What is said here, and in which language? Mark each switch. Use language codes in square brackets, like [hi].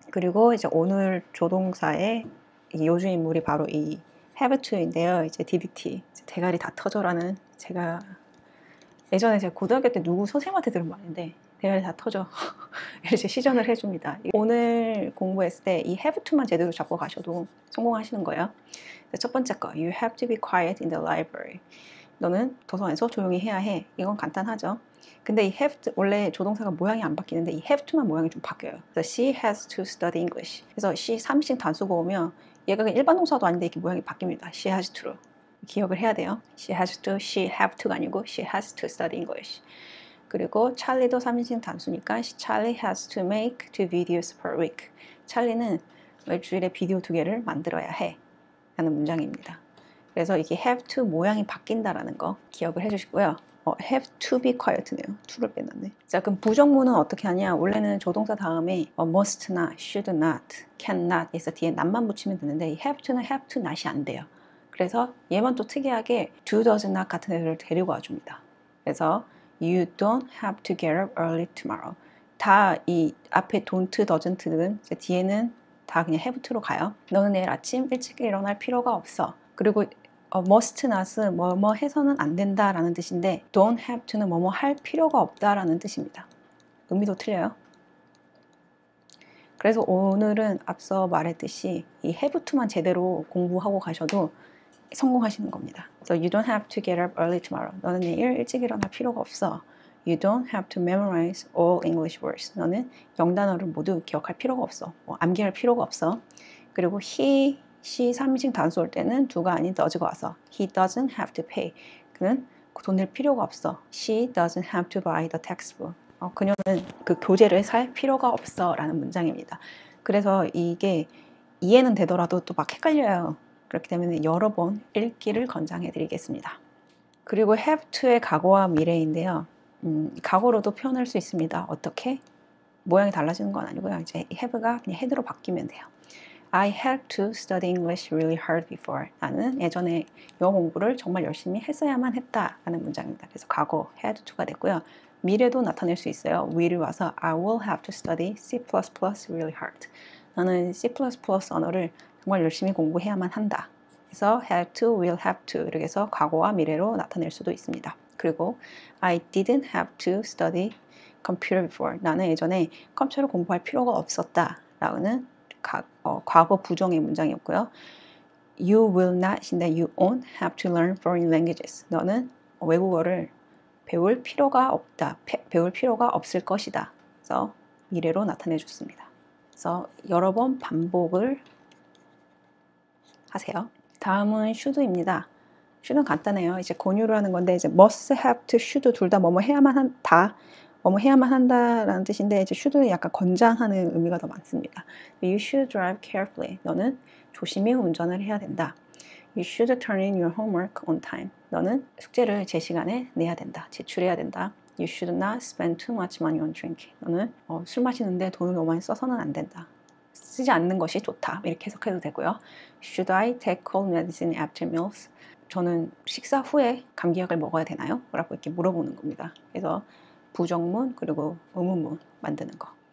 [ko] 그리고 이제 오늘 조동사의 요주 인물이 바로 이 have to인데요. 이제 DDT. 이제 대가리 다 터져라는 제가 예전에 제가 고등학교 때 누구 선생님한테 들은 말인데 대가리 다 터져. 이렇게 시전을 해줍니다. 오늘 공부했을 때이 have to만 제대로 잡고 가셔도 성공하시는 거예요. 첫 번째 거. [en] You have to be quiet in the library. [ko] 너는 도서관에서 조용히 해야 해. 이건 간단하죠. 근데 이 have to, 원래 조동사가 모양이 안 바뀌는데 이 have to만 모양이 좀 바뀌어요. 그래서 [en] she has to study English. [ko] 그래서 she 3인칭 단수가 오면 얘가 일반 동사도 아닌데 이렇게 모양이 바뀝니다. She has to로. 기억을 해야 돼요. [en] She has to, she have to가 아니고 she has to study English. [ko] 그리고 찰리도 3인칭 단수니까 [en] Charlie has to make two videos per week. [ko] 찰리는 일주일에 비디오 두 개를 만들어야 해 라는 문장입니다. 그래서 이게 have to 모양이 바뀐다라는 거 기억을 해주시고요. [en] Have to be quiet [ko] 네요. to를 빼놨네. 자, 그럼 부정문은 어떻게 하냐? 원래는 조동사 다음에 must나 should not, can not 해서 뒤에 not만 붙이면 되는데 have to는 have to not이 안 돼요. 그래서 얘만 또 특이하게 do, does, not 같은 애들을 데리고 와줍니다. [en] 그래서 you don't have to get up early tomorrow. [ko] 다이 앞에 don't, doesn't는 이제 뒤에는 다 그냥 have to로 가요. 너는 내일 아침 일찍 일어날 필요가 없어. 그리고 must not은 뭐뭐 해서는 안 된다라는 뜻인데 don't have to는 뭐뭐 할 필요가 없다라는 뜻입니다. 의미도 틀려요. 그래서 오늘은 앞서 말했듯이 이 have to만 제대로 공부하고 가셔도 성공하시는 겁니다. [en] So you don't have to get up early tomorrow. [ko] 너는 내일 일찍 일어날 필요가 없어. [en] You don't have to memorize all English words. [ko] 너는 영단어를 모두 기억할 필요가 없어. 뭐 암기할 필요가 없어. 그리고 he, she 3인칭 단수일 때는 두가 아닌 does가 와서 [en] he doesn't have to pay. [ko] 그는 돈낼 필요가 없어. [en] She doesn't have to buy the textbook. [ko] 그녀는 그 교재를 살 필요가 없어라는 문장입니다. 그래서 이게 이해는 되더라도 또막 헷갈려요. 그렇기 때문에 여러 번 읽기를 권장해 드리겠습니다. 그리고 have to의 과거와 미래인데요. 과거로도 표현할 수 있습니다. 어떻게? 모양이 달라지는 건 아니고요. 이제 have가 그냥 head로 바뀌면 돼요. [en] I have to study English really hard before. [ko] 나는 예전에 영어 공부를 정말 열심히 했어야만 했다라는 문장입니다. 그래서 과거 had to가 됐고요. 미래도 나타낼 수 있어요. [en] will 와서 I will have to study C++ really hard. 나는 C++ 언어를 정말 열심히 공부해야만 한다. [ko] 그래서 have to, will have to 이렇게 해서 과거와 미래로 나타낼 수도 있습니다. [en] 그리고 I didn't have to study computer before. [ko] 나는 예전에 컴퓨터를 공부할 필요가 없었다. 라는 과거 부정의 문장이었고요. [en] You will not인데 you won't have to learn foreign languages. [ko] 너는 외국어를 배울 필요가 없다. 배울 필요가 없을 것이다. 그래서 미래로 나타내 줬습니다. 그래서 여러 번 반복을 하세요. 다음은 should입니다. should은 간단해요. 이제 권유를 하는 건데 이제 must, have to, should 둘다 뭐뭐 해야만 한다. 뭐뭐 해야만 한다라는 뜻인데 이제 should는 약간 권장하는 의미가 더 많습니다. [en] You should drive carefully. [ko] 너는 조심히 운전을 해야 된다. [en] You should turn in your homework on time. [ko] 너는 숙제를 제 시간에 내야 된다. 제출해야 된다. [en] You should not spend too much money on drinking. [ko] 너는 술 마시는데 돈을 너무 많이 써서는 안 된다. 쓰지 않는 것이 좋다. 이렇게 해석해도 되고요. [en] Should I take cold medicine after meals? [ko] 저는 식사 후에 감기약을 먹어야 되나요? 라고 이렇게 물어보는 겁니다. 그래서 부정문 그리고 의문문 만드는 거.